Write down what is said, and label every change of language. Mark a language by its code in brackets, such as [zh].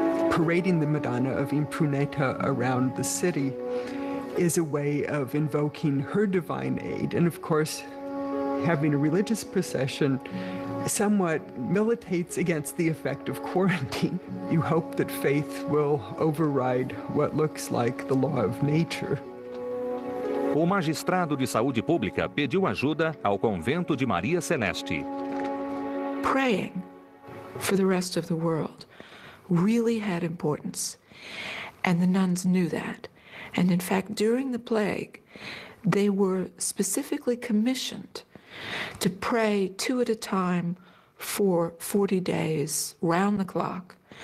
[en] Parading the Madonna of Impruneta around the city is a way of invoking her divine aid. And of course, having a religious procession somewhat militates against the effect of quarantine. You hope that faith will override what looks like the law of nature. [pt] O magistrado de saúde pública pediu ajuda ao convento de Maria Celeste. [en] Praying for the rest of the world really had importance, and the nuns knew that. And in fact, during the plague, they were specifically commissioned to pray two at a time for 40 days, round the clock.